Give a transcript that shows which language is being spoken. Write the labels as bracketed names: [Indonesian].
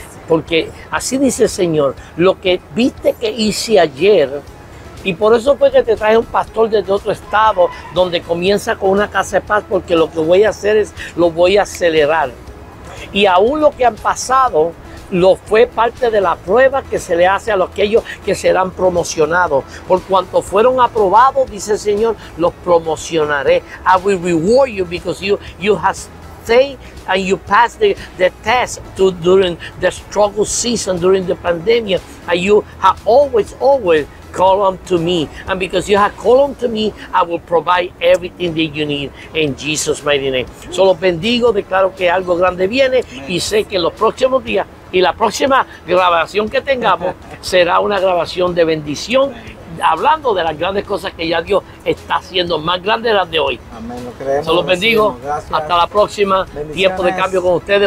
[Spanish] Porque así dice el Señor, lo que viste que hice ayer, y por eso fue que te traje un pastor desde otro estado, donde comienza con una casa de paz, porque lo que voy a hacer es, lo voy a acelerar. Y aún lo que han pasado, lo fue parte de la prueba que se le hace a aquellos que serán promocionados. Por cuanto fueron aprobados, dice el Señor, los promocionaré. [English] I will reward you because you have stayed and you passed the test during the struggle season, during the pandemic. And you have always called on to me. And because you have called on to me, I will provide everything that you need in Jesus' mighty name. [Spanish] Solo bendigo, declaro que algo grande viene. Y sé que en los próximos días, y la próxima grabación que tengamos será una grabación de bendición, hablando de las grandes cosas que ya Dios está haciendo, más grandes las de hoy. Amén, lo creemos. Se los bendigo. Hasta la próxima. Tiempo de cambio con ustedes.